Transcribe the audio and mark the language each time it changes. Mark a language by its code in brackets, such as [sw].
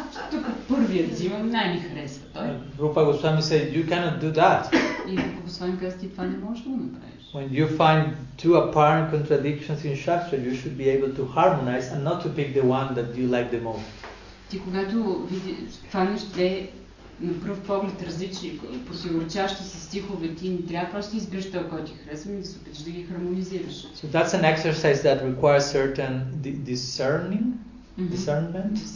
[bg] Тук първият взимам, най-ми харесва той. [en] Рупа Госвами said, you cannot do that. [bg] И Рупа Госвами каза, ти това не можеш да го направиш. [en] When you find two apparent contradictions in Shastra, you should be able to harmonize and not to pick the one that you like the most. [bg] Ти когато фанеш две на пръв поглед различни, противоречащи си стихове, ти не трябва просто да избираш това, който ти харесва, и да се опиташ да ги хармонизираш. [en] So that's an exercise that requires certain discerning, discernment,